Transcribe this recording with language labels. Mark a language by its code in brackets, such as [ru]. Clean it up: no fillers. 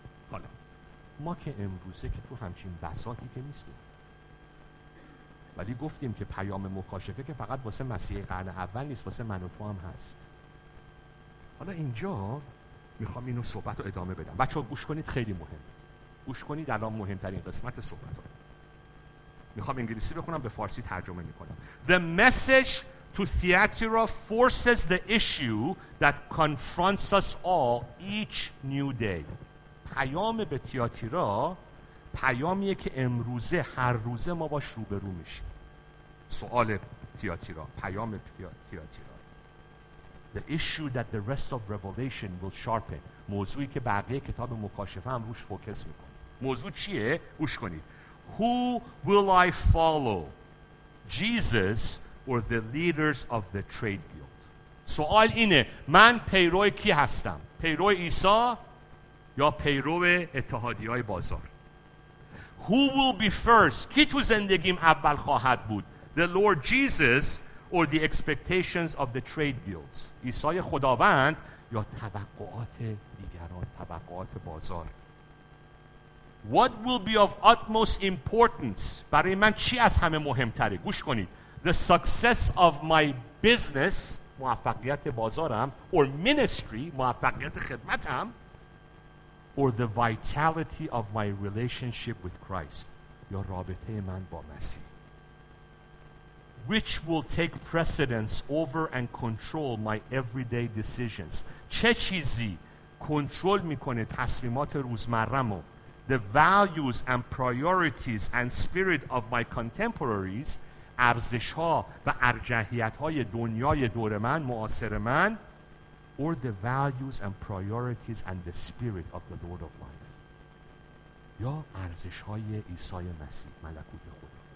[fa] حالا ما که امروزه که تو همچین بساطی که نیستیم، ولی گفتیم که پیام مکاشفه که فقط واسه مسیحی قرن اول نیست، واسه من و تو هم هست. حالا اینجا میخوام اینو صحبت رو ادامه بدم. بچه ها گوش کنید، خیلی مهم گوش کنید. الان مهمترین قسمت صحبت رو میخوام انگلیسی بخونم، به فارسی ترجمه میکنم. [en] The message to Thyatira forces the issue that confronts us all each new day. [fa] پیام به تیاتیرا پیامیه که امروزه هر روزه ما باش روبرو میشیم. سوال تیاتیرا، پیام تیاتیرا. [en] The issue that the rest of Revelation will sharpen. [fa] موضوعی که بقیه کتاب مکاشفه هم روش فوکس میکنه. موضوع چیه؟ گوش کنید. [en] Who will I follow? Jesus or the leaders of the trade guild? [fa] سوال اینه، من پیروی کی هستم؟ پیروی عیسی یا پیروی اتحادیه‌های بازار؟ [en] Who will be first? [fa] کی تو زندگیم اول خواهد بود؟ [en] The Lord Jesus or the expectations of the trade guilds. [fa] عیسی خداوند یا توقعات دیگران، توقعات بازار. [en] What will be of utmost importance? [fa] برای من چی از همه مهمتره؟ گوش کنید. [en] The success of my business، [fa] موفقیت بازارم، [en] or ministry، [fa] موفقیت خدمتم، [en] or the vitality of my relationship with Christ، [fa] یا رابطه من با مسیح. [en] Which will take precedence over and control my everyday decisions. [fa] چه چیزی کنترل میکنه تصمیمات روزمرمو؟ [en] The values and priorities and spirit of my contemporaries، [fa] ارزشها و ارجحیتهای دنیای دور من، معاصر من، [en] or the values and priorities and the spirit of the Lord of life، [fa] یا ارزشهای عیسی مسیح ملکوت خود.